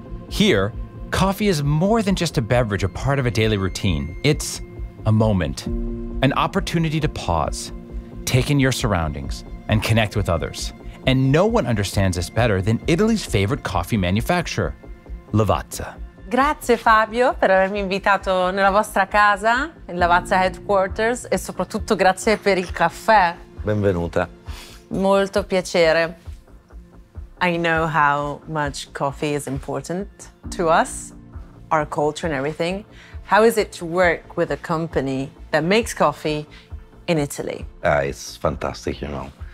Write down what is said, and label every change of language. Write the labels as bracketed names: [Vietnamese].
[English] Here, coffee is more than just a beverage or part of a daily routine. It's a moment, an opportunity to pause, take in your surroundings, and connect with others. And no one understands this better than Italy's favorite coffee manufacturer, Lavazza. [Italian] Grazie Fabio per avermi invitato nella vostra casa, in Lavazza Headquarters, e soprattutto grazie per il caffè. Benvenuta. Molto piacere. [English] I know how much coffee is important to us, our culture and everything. How is it to work with a company that makes coffee in Italy? It's fantastic, you know.